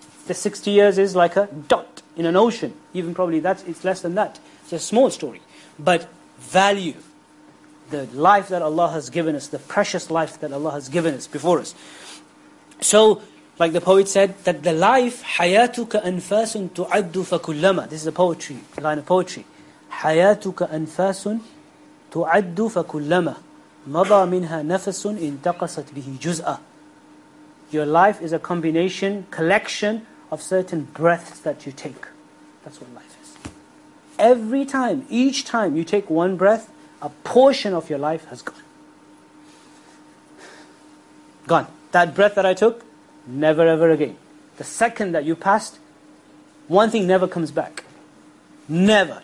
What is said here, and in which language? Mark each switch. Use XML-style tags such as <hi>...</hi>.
<en>The 60 years is like a dot in an ocean. Even probably that's, it's less than that. It's a small story. But value the life that Allah has given us, the precious life that Allah has given us before us. So, like the poet said, that the life,</en> <ar>حياتك أنفاس تعد فكلما.</ar> <en>This is a poetry, a line of poetry.</en> <ar>حياتك أنفاس تعد فكلما مضى منها نفس انتقصت به جزءا.</ar> <en>Your life is a combination, collection of certain breaths that you take. That's what life is. Every time, each time you take one breath, a portion of your life has gone. Gone. That breath that I took, never ever again. The second that you passed, one thing never comes back. Never.</en>